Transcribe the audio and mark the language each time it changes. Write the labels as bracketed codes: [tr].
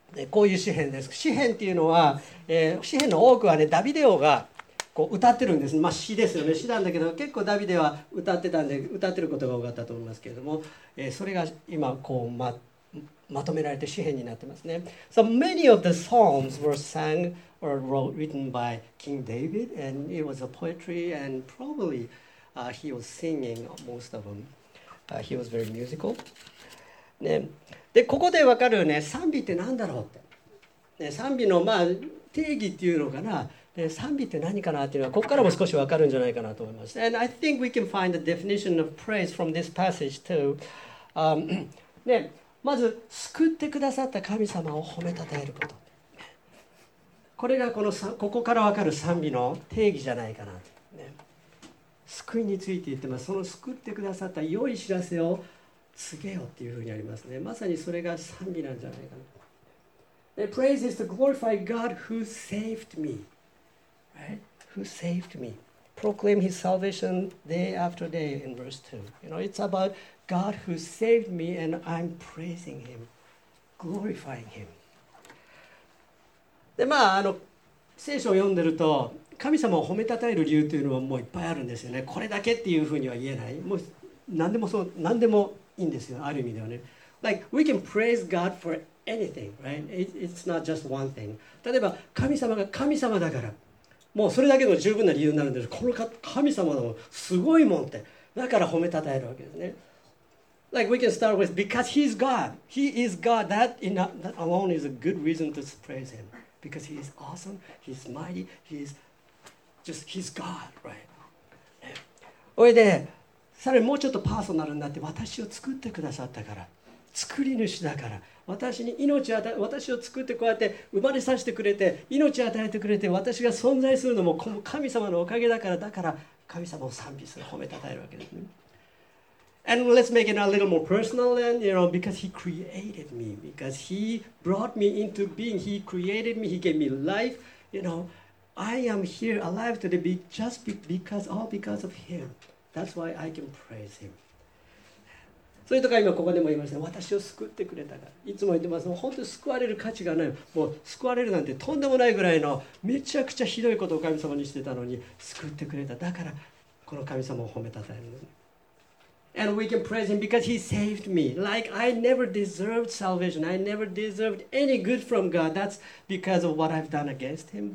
[ja] こういう詩編です。詩編っていうのは、詩編の多くはね、ダビデ王がこう歌ってるんです。まあ詩ですよね。詩なんだけど、結構ダビデは歌ってたんで、歌ってることが多かったと思いますけれども、それが今こう まとめられて詩編になってますね。 [en] So many of the psalms were sung. Or wrote, written by King David, and it was a poetry, and probably he was singing most of them. He was very musical. [ja] ね、でここでわかるね、賛美ってなんだろうって。ね、賛美のまあ定義っていうのかな。ね、賛美って何かなっていうのはここからも少しわかるんじゃないかなと思います。 [en] And I think we can find the definition of praise from this passage too. [ja] ね、まず救ってくださった神様を褒めたたえること。これが ここから分かる賛美の定義じゃないかな、ね、救いについて言ってます。その救ってくださった良い知らせを告げよっていうふうにありますね。まさにそれが賛美なんじゃないかな。 [en] The praise is to glorify God who saved me. Right? Who saved me. proclaim his salvation day after day in verse 2. You know, it's about God who saved me and I'm praising him, glorifying him. [ja] で、まあ、あの、聖書を読んでると、神様を褒めたたえる理由というのはもういっぱいあるんですよね。これだけっていうふうには言えない。もう何でもそう、何でもいいんですよ。ある意味ではね。 [en] Like, we can praise God for anything, right? It's not just one thing. [ja] 例えば、神様が神様だから、もうそれだけの十分な理由になるんです。この神様のすごいもんって、だから褒めたたえるわけですね。 [en] Like, we can start with, because he's God. He is God. That alone is a good reason to praise him. Because he is awesome, he is mighty, he is just, he's God, right? [ja] それで、さらにもうちょっとパーソナルになって、私を作ってくださったから、作り主だから、私に命を与え、私を作ってこうやって生まれさせてくれて、命を与えてくれて、私が存在するのもこの神様のおかげだから、だから神様を賛美する、褒めたたえるわけですね。 [en] And let's make it a little more personal then, you know, because he created me, because he brought me into being, he created me, he gave me life, you know, I am here alive today just because, all because of him. That's why I can praise him. [ja] そういうとか今ここでも言いました、ね、私を救ってくれたから、いつも言ってます、もう本当に救われる価値がない、もう救われるなんてとんでもないぐらいのめちゃくちゃひどいことを神様にしてたのに救ってくれた、だからこの神様を褒めたたえるのね。 [en] And we can praise him because he saved me. Like I never deserved salvation. I never deserved any good from God. That's because of what I've done against him.